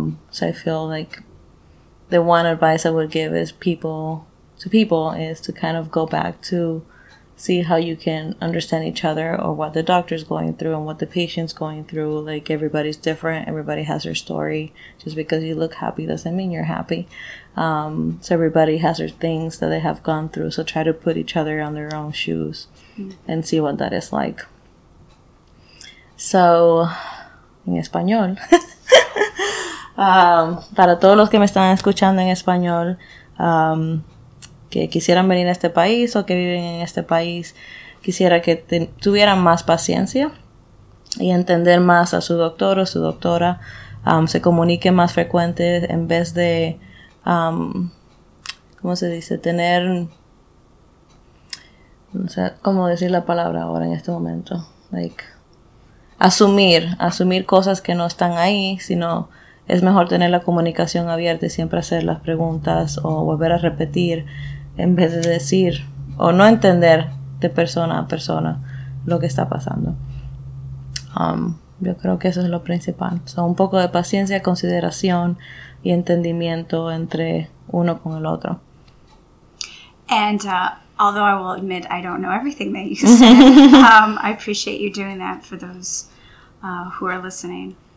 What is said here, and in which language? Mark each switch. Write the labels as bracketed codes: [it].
[en] So I feel like the one advice I would give is people is to kind of go back to see how you can understand each other or what the doctor's going through and what the patient's going through. Like, everybody's different. Everybody has their story. Just because you look happy doesn't mean you're happy. So everybody has their things that they have gone through. So try to put each other on their own shoes and see what that is like. [es] So, en español, para todos los que me están escuchando en español, que quisieran venir a este país o que viven en este país, quisiera que tuvieran más paciencia y entender más a su doctor o su doctora, se comuniquen más frecuente en vez de, ¿cómo se dice? Tener, no sé cómo decir la palabra ahora en este momento, like, asumir cosas que no están ahí, sino es mejor tener la comunicación abierta y siempre hacer las preguntas o volver a repetir en vez de decir o no entender de persona a persona lo que está pasando. Yo creo que eso es lo principal. So, un poco de paciencia, consideración y entendimiento entre uno con el otro. [en] And although I will admit I don't know everything that you said, I appreciate you doing that for those who are listening.